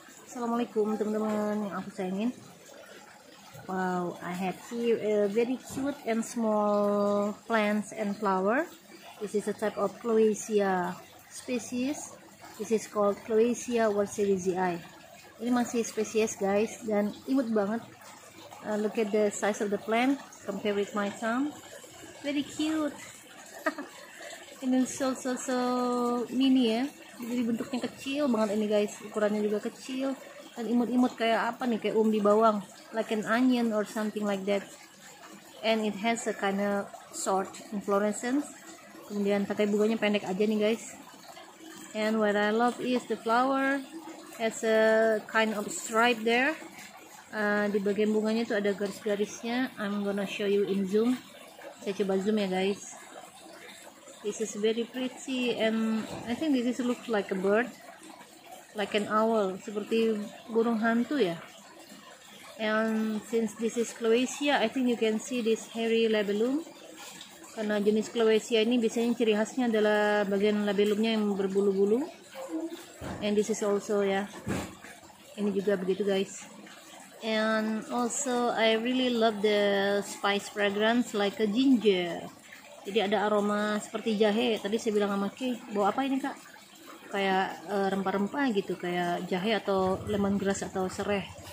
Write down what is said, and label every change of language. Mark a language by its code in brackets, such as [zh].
[id] Assalamualaikum teman-teman yang aku sayangin. [en] Wow, I have here a very cute and small plants and flower. This is a type of Cloacia species. This is called Cloacia warsawisii. [id] Ini masih spesies guys, dan imut banget. [en] Look at the size of the plant compared with my thumb. Very cute. [id] Ini [en] so mini ya. [id] Jadi bentuknya kecil banget ini guys. Ukurannya juga kecil. Dan imut-imut kayak apa nih, kayak umbi bawang. [en] Like an onion or something like that. And it has a kind of short inflorescence. [id] Kemudian pakai bunganya pendek aja nih guys. [en] And what I love is the flower has a kind of stripe there. [id] Di bagian bunganya tuh ada garis-garisnya. [en] I'm gonna show you in zoom. [id] Saya coba zoom ya guys. [en] This is very pretty and I think this is look like a bird, like an owl, [id] seperti burung hantu ya. [en] And since this is Cloacia, I think you can see this hairy labellum. [id] Karena jenis Cloacia ini biasanya ciri khasnya adalah bagian labellumnya yang berbulu-bulu. [en] And this is also ya, [id] ini juga begitu guys. [en] And also I really love the spice fragrance like a ginger. [id] Jadi ada aroma seperti jahe. Tadi saya bilang sama Kay, bawa apa ini kak? Kayak rempah-rempah gitu, kayak jahe atau lemongrass atau sereh.